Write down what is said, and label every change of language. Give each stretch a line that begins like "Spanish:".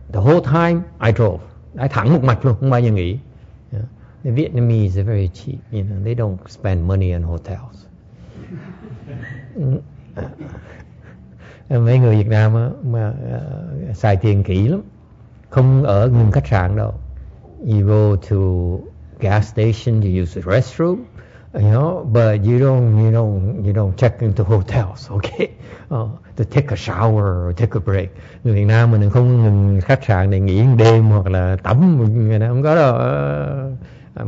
English: The whole time I drove, I
Vietnamese: thẳng một mạch luôn, không bao giờ nghỉ.
English: Yeah. The Vietnamese are very cheap. You know, they don't spend money on hotels.
Vietnamese: Mấy người Việt Nam mà xài tiền kỹ lắm, không ở ngừng khách sạn đâu.
English: You go to gas station to use the restroom. You know, but you don't check into hotels, okay? To take a shower or take a break.
Vietnamese: Người Việt Nam mình không ngừng khách sạn để nghỉ đêm hoặc là tắm, người nào không có đâu.